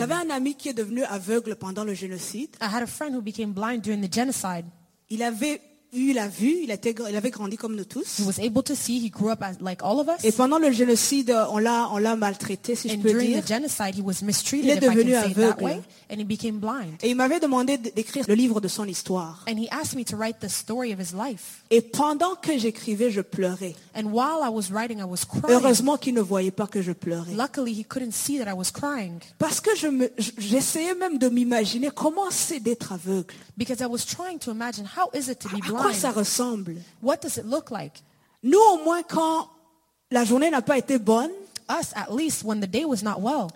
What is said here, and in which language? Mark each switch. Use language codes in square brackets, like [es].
[fr] J'avais un ami qui est devenu aveugle pendant le génocide. [en] I had a friend who became blind during the genocide. [fr] Il avait eu la vue, il avait grandi comme nous tous. [en] He was able to see, he grew up as, like all of us. [fr] Et pendant le génocide, on l'a maltraité, si [en] and [fr] je peux dire. [en] And during the genocide, he was mistreated. [fr] Il est devenu aveugle. [en] Way, and he became blind. [fr] Et il m'avait demandé d'écrire le livre de son histoire. [en] And he asked me to write the story of his life. [fr] Et pendant que j'écrivais, je pleurais. [en] And while I was writing, I was crying. [fr] Heureusement qu'il ne voyait pas que je pleurais. [en] Luckily, he couldn't see that I was crying. [fr] Parce que j'essayais même de m'imaginer comment c'est d'être aveugle. [en] Because I was trying to imagine how is it to be blind. [fr] À quoi ça ressemble? [en] What does it look like? [fr] Nous, au moins, quand la journée n'a pas été bonne, [en] us, at least, when the day was not well,